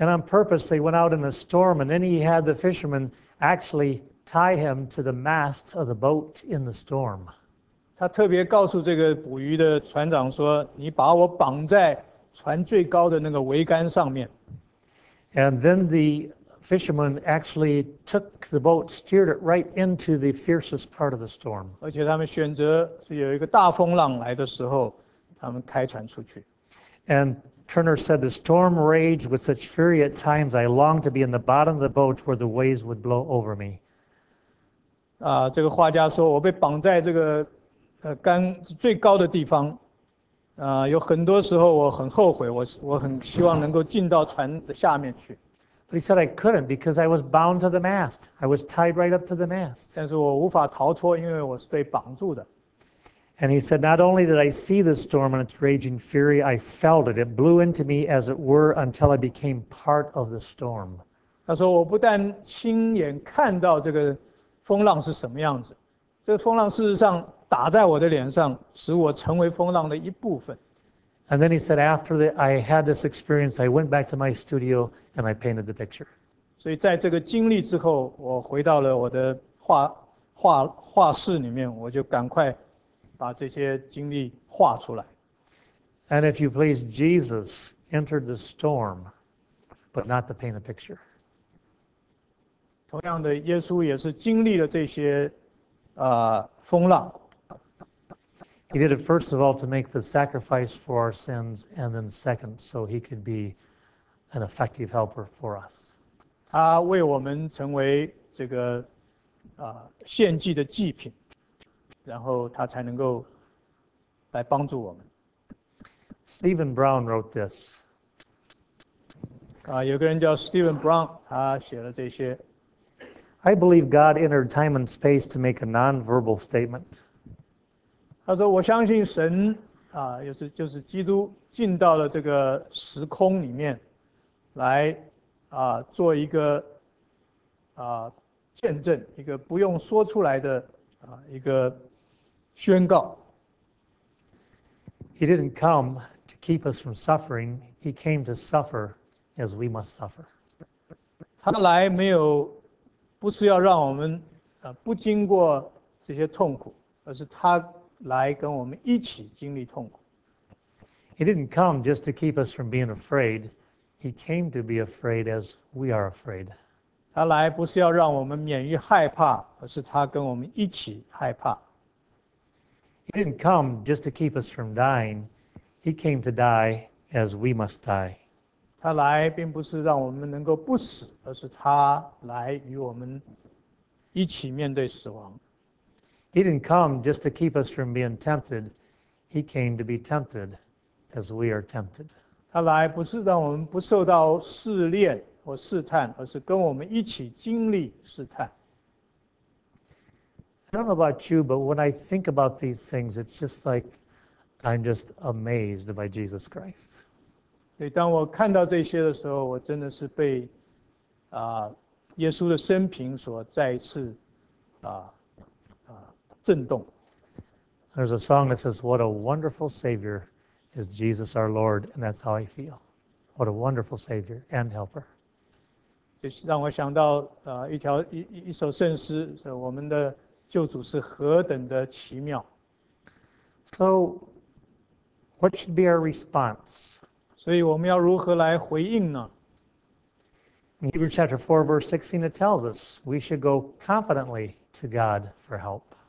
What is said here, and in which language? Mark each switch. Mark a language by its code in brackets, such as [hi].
[en] And on purpose, they went out in a storm, and then he had the fisherman actually tie him to the mast of the boat in the storm. [zh] 他特别告诉这个捕鱼的船长说：“你把我绑在船最高的那个桅杆上面。” [en] And then the fisherman actually took the boat, steered it right into the fiercest part of the storm. [zh] 而且他们选择是有一个大风浪来的时候，他们开船出去。 [en] And Turner said, "The storm raged with such fury at times, I longed to be in the bottom of the boat where the waves would blow over me." [zh] 啊，这个画家说，我被绑在这个杆最高的地方，有很多时候我很后悔，我很希望能够进到船的下面去。 [en] But he said I couldn't because I was bound to the mast. I was tied right up to the mast. [zh] 但是我无法逃脱，因为我是被绑住的。 [en] And he said, "Not only did I see the storm and its raging fury, I felt it. It blew into me, as it were, until I became part of the storm." [zh] 他说，我不但亲眼看到这个风浪是什么样子，这个风浪事实上打在我的脸上，使我成为风浪的一部分。 [en] And then he said, "After that, I had this experience. I went back to my studio and I painted the picture." [zh] 所以在这个经历之后，我回到了我的画室里面，我就赶快把这些经历画出来。 [en] And if you please, Jesus entered the storm, but not to paint a picture. [zh] 同样的，耶稣也是经历了这些风浪。 [en] He did it first of all to make the sacrifice for our sins, and then second, so he could be an effective helper for us. [zh] 他为我们成为这个献祭的祭品。然后他才能够来帮助我们。 [en] Stephen Brown wrote this. [zh] 有个人叫 Stephen Brown, 他写了这些。 [en] I believe God entered time and space to make a non-verbal statement. [zh] 他说我相信神就是基督进到了这个时空里面来做一个见证，一个不用说出来的一个宣告。 [en] He didn't come to keep us from suffering. He came to suffer as we must suffer. [zh] 他来没有，不是要让我们不经过这些痛苦，而是他来跟我们一起经历痛苦。 [en] He didn't come just to keep us from being afraid. He came to be afraid as we are afraid. [zh] 他来不是要让我们免于害怕，而是他跟我们一起害怕。 [en] He didn't come just to keep us from dying. He came to die as we must die. [zh] 他来并不是让我们能够不死，而是他来与我们一起面对死亡。 [en] He didn't come just to keep us from being tempted. He came to be tempted as we are tempted. [zh] 他来不是让我们不受到试炼或试探，而是跟我们一起经历试探。 [en] I don't know about you, but when I think about these things, it's just like I'm just amazed by Jesus Christ. [zh] 所以当我看到这些的时候，我真的是被耶稣的生平所再一次震动。 [en] There's a song that says, "What a wonderful Savior is Jesus our Lord," and that's how I feel. What a wonderful Savior and Helper. [zh] 就是让我想到一首圣诗，是我们的救主是何等的奇妙。 [en] So, what should be our response? [zh] 所以我们要如何来回应呢？ [en] In Hebrews chapter 4, verse 16, it tells us we should go confidently to God for help.